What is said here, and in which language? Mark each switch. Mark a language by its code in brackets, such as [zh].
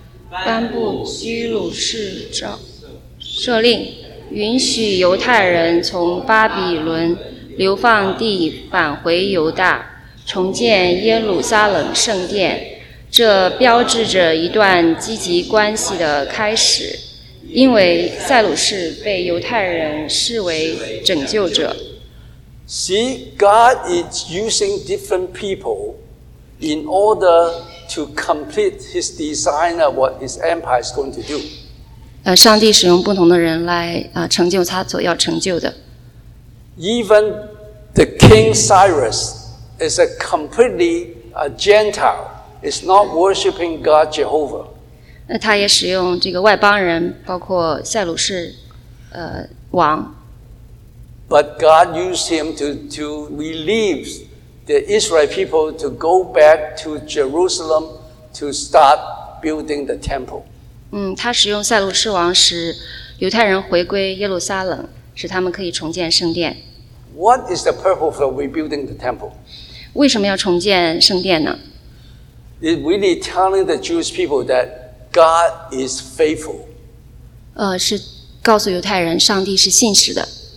[zh] 颁布居鲁士诏赦令，允许犹太人从巴比伦流放地返回犹大，重建耶路撒冷圣殿。这标志着一段积极关系的开始，因为塞鲁士被犹太人视为拯救者。 [en] See, God is using different people in order. To complete his design of what his empire is going to do. [zh] 上帝使用不同的人来成就他所要成就的。 [en] Even the king Cyrus is a completely a Gentile. Is not worshiping God Jehovah. [zh] 他也使用这个外邦人，包括塞鲁士王。 [en] But God used him to relieve. The Israel people to go back to Jerusalem to start building the temple. [zh] 他使用塞鲁士王使犹太人回归耶路撒冷，使他们可以重建圣殿。 [en] What is the purpose of rebuilding the temple? [zh] 为什么要重建圣殿呢？ [en] It's really telling the Jewish people that God is faithful. [zh] 是告诉犹太人上帝是信实的。